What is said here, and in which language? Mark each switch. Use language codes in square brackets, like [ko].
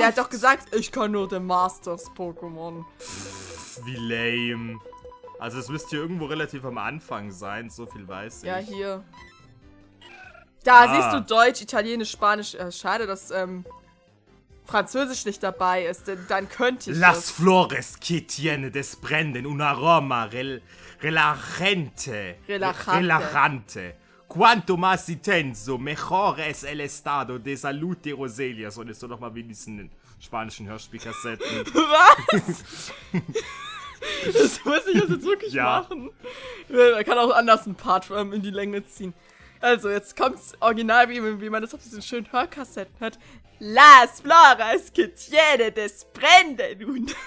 [de] Der hat doch gesagt, ich kann nur den Masters-Pokémon. Wie lame. Also es müsste hier irgendwo relativ am Anfang sein, so viel weiß ich. Ja, hier. Da siehst du Deutsch, Italienisch, Spanisch. Schade, dass Französisch nicht dabei ist, dann könnte ich Las das. [es] Flores que tiene desprenden un aroma relajante. Quanto más intenso, mejor es el estado de salud de Roselia. [de] Und jetzt noch mal wie diesen spanischen Hörspielkassetten. Was? Das muss ich jetzt wirklich machen. Man kann auch anders ein Part in die Länge ziehen. Also, jetzt kommt's original, wie man das auf diesen schönen Hörkassetten hat. [es] Las Flores que tiene desprenden.